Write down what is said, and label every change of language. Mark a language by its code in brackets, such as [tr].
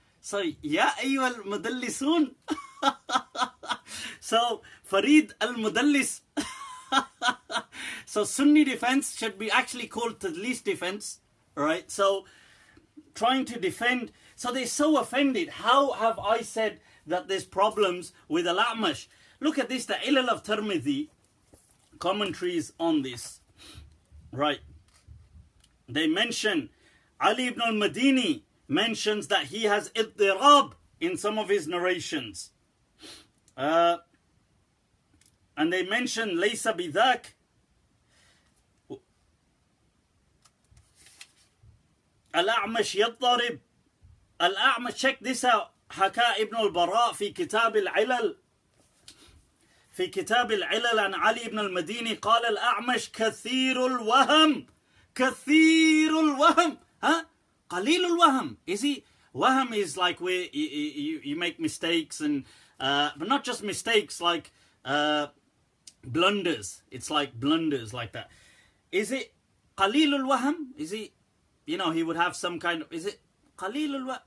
[ar] So يا أيها المدلسون. So فريد المدلس. [en] So Sunni defense should be actually called tadlis defense, right? So trying to defend. So they're so offended. How have I said that there's problems with Al-A'mash? Look at this. The Ilal of Tirmidhi. Commentaries on this, right? They mention Ali ibn al-Madini mentions that he has idhtirab in some of his narrations, and they mention Laysa bidhak. [ar] Al-A'mash yadharib. [en] Al-A'mash, check this out. [ar] Haka ibn al-Bara fi kitab al-Ilal. في كتاب العلل عن علي بن المديني قال الأعمش كثير الوهم كثير الوهم ها قليل الوهم. [en] Is he وهم is like where you make mistakes and but not just mistakes, like blunders. It's like blunders like that. Is it [ar] قليل الوهم? [en] Is he, you know, he would have some kind of, is it [ar] قليل الوهم?